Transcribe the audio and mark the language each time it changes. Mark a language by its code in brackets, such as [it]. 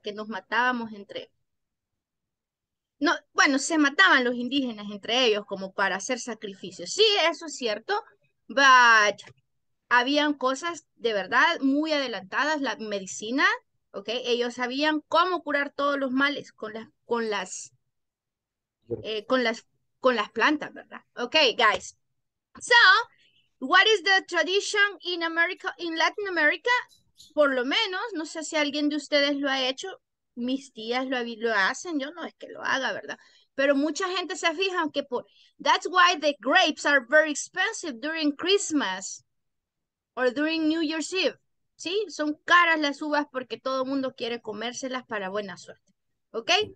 [es] Que nos matábamos entre... No, bueno, se mataban los indígenas entre ellos como para hacer sacrificios. Sí, eso es cierto, [en] but... [es] Habían cosas de verdad muy adelantadas, la medicina, ¿ok? Ellos sabían cómo curar todos los males con las plantas, ¿verdad? [en] Ok, guys. So, what is the tradition in America, in Latin America? [es] Por lo menos, no sé si alguien de ustedes lo ha hecho, mis tías lo hacen, yo no es que lo haga, ¿verdad? Pero mucha gente se fija que [en] that's why the grapes are very expensive during Christmas. Or during New Year's Eve, [es] ¿sí? Son caras las uvas porque todo el mundo quiere comérselas para buena suerte, ¿ok?